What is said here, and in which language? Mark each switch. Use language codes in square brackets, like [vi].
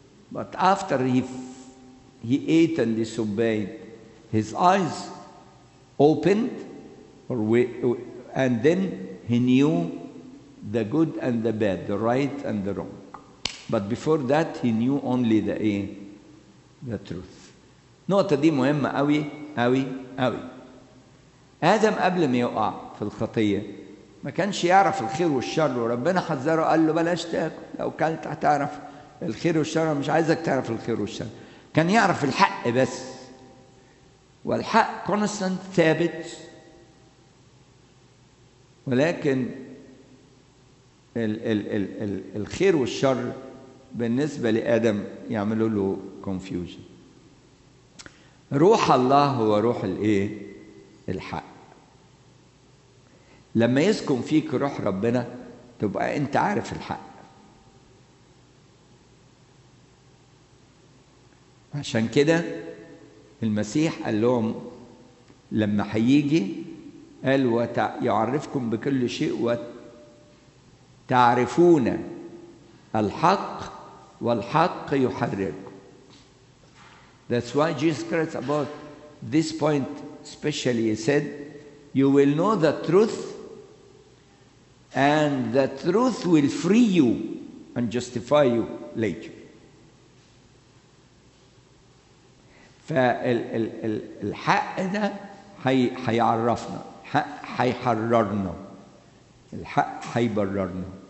[en] But after he ate and disobeyed, his eyes opened, and then he knew the good and the bad, the right and the wrong. But before that, he knew only the truth. [ar] نقطة دي مهمة أوي أوي أوي. آدم قبل ما يقع في الخطية ما كانش يعرف الخير والشر، وربنا حذره قال له بلاش تاكل، لو كلت هتعرف الخير والشر، مش عايزك تعرف الخير والشر. كان يعرف الحق بس، والحق كونستانت ثابت، ولكن الخير والشر بالنسبة لآدم يعملوا له confusion. روح الله هو روح الإيه؟ الحق. لما يسكن فيك روح ربنا تبقى أنت عارف الحق. عشان كده المسيح قال لهم لما هيجي قال يعرفكم بكل شيء وتعرفون الحق والحق يحرك. [en] That's why Jesus Christ about this point especially he said you will know the truth and the truth will free you and justify you later. [ar] فالحق ده هيعرفنا، هيحررنا، الحق هيبررنا.